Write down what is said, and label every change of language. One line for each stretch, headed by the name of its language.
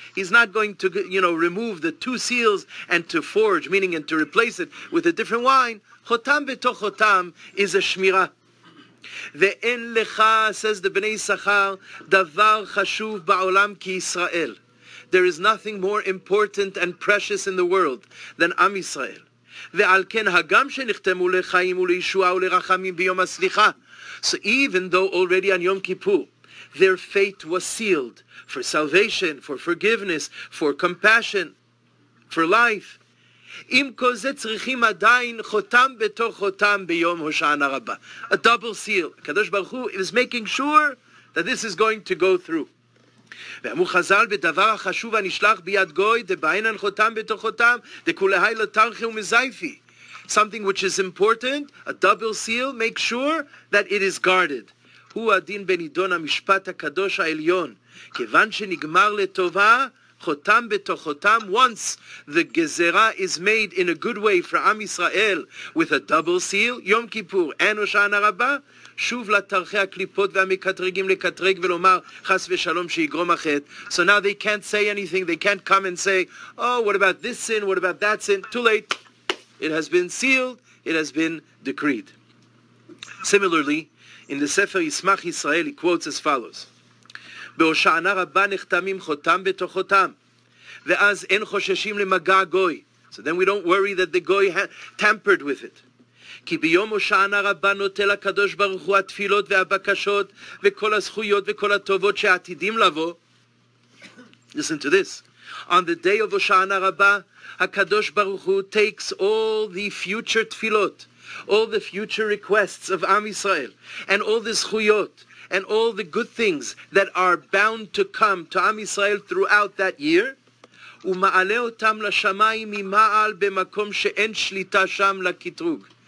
English: He's not going to, you know, remove the two seals and to forge, meaning and to replace it with a different wine.
Hebrew: Chotam betoch chotam is a shmira. Ve'en lecha,
English: says the Bnei Sachar,
Hebrew: davar chashuv ba'olam ki Yisrael.
English: There is nothing more important and precious in the world than Am Yisrael.
Hebrew: ועל כן הגם שנחתמו לחיים ולישוע ולרחמים ביום הסליחה.
English: So even though already on Yom Kippur, their fate was sealed for salvation, for forgiveness, for compassion, for life.
Hebrew: אם כל זה צריכים עדיין חותם בתוך חותם ביום הושענא רבה.
English: A double seal. הקדוש ברוך הוא is making sure that this is going to go through.
Hebrew: ואמרו חז"ל בדבר החשוב הנשלח ביד גוי דבעינן חותם בתוך חותם דכולהי לטרחי ומזייפי.
English: Something which is important, a double seal, make sure that it is guarded.
Hebrew: הוא הדין בנידון המשפט הקדוש העליון, כיוון שנגמר לטובה חותם בתוך חותם.
English: Once the גזרה is made in a good way for עם ישראל with a double seal,
Hebrew: יום כיפור, אין הושענא רבה, שוב לתרחי הקליפות והמקטרגים לקטרג ולומר חס ושלום שיגרום החטא.
English: So now they can't say anything, they can't come and say, oh, what about this sin, what about that sin? Too late. It has been sealed, it has been decreed. Similarly, in the Sefer Yismach Yisrael, he quotes as follows.
Hebrew: בהושענא רבה נחתמים חותם בתוך חותם, ואז אין חוששים למגע גוי.
English: So then we don't worry that the goy tampered with it.
Hebrew: כי ביום הושענא רבה נוטל הקדוש ברוך הוא התפילות והבקשות וכל הזכויות וכל הטובות שעתידים לבוא.
English: Listen to this. On the day of הושענא רבה, הקדוש ברוך הוא takes all the future תפילות, all the future requests of עם ישראל, and all the זכויות, and all the good things that are bound to come to עם ישראל throughout that year,
Hebrew: ומעלה אותם לשמיים ממעל במקום שאין שליטה שם לקטרוג.